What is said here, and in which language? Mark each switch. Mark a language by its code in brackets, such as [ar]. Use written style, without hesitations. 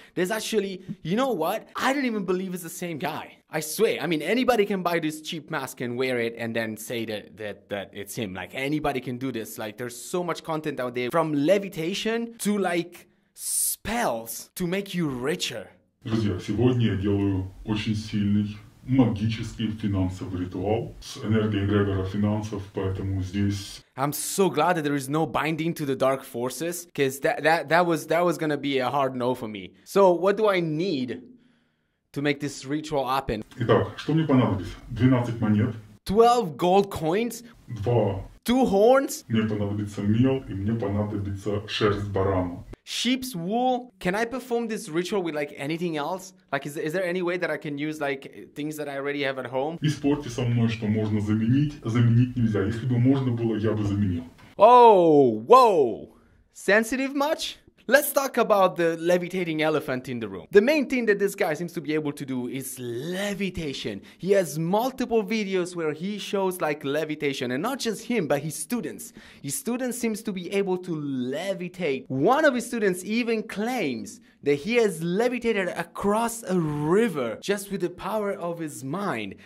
[en] There's actually, you know what? I don't even believe it's the same guy. I swear. I mean, anybody can buy this cheap mask and wear it and then say that it's him. Like, anybody can do this. Like, there's so much content out there, from levitation to, like, spells to make you richer. [ru] Друзья, сегодня я делаю очень сильный магический финансовый ритуал с энергией эгрегора финансов, поэтому здесь... [en] I'm so glad that there is no binding to the dark forces, because that was gonna be a hard no for me. So, what do I need to make this ritual happen? [ru] Итак, что мне понадобится? 12 монет. [en] 12 gold coins? [ru] 2. [en] 2 horns? [ru] Мне понадобится мел, и мне понадобится шерсть барана. [en] Sheep's wool. Can I perform this ritual with like anything else? Like, is there any way that I can use like things that I already have at home? [ru] Испорти со мной, что можно заменить. Заменить нельзя. Если бы можно было, я бы заменил. [en] Oh, whoa. Sensitive much? Let's talk about the levitating elephant in the room. The main thing that this guy seems to be able to do is levitation. He has multiple videos where he shows like levitation, and not just him, but his students. His students seems to be able to levitate. One of his students even claims that he has levitated across a river just with the power of his mind.